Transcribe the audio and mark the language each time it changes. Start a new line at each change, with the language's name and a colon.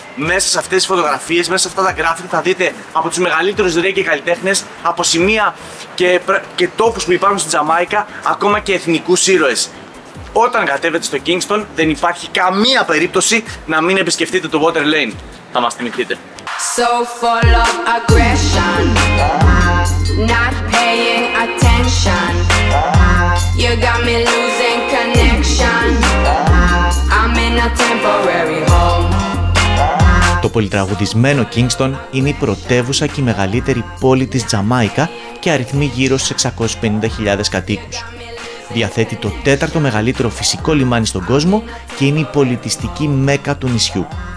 Greek: Μέσα σε αυτές τις φωτογραφίες, μέσα σε αυτά τα γκράφιτι θα δείτε από τους μεγαλύτερους ρέγκε καλλιτέχνες, από σημεία και τόπους που υπάρχουν στην Τζαμάικα, ακόμα και εθνικούς ήρωες. Όταν κατέβετε στο Kingston, δεν υπάρχει καμία περίπτωση να μην επισκεφτείτε το Water Lane. Θα μας θυμηθείτε.
English: So full of aggression, not paying attention. You got me losing connection. I'm in a temporary home.
Greek: Το πολυτραγουδισμένο Kingston είναι η πρωτεύουσα και η μεγαλύτερη πόλη της Τζαμάικα και αριθμεί γύρω στους 650.000 κατοίκους. Διαθέτει το τέταρτο μεγαλύτερο φυσικό λιμάνι στον κόσμο και είναι η πολιτιστική μέκα του νησιού.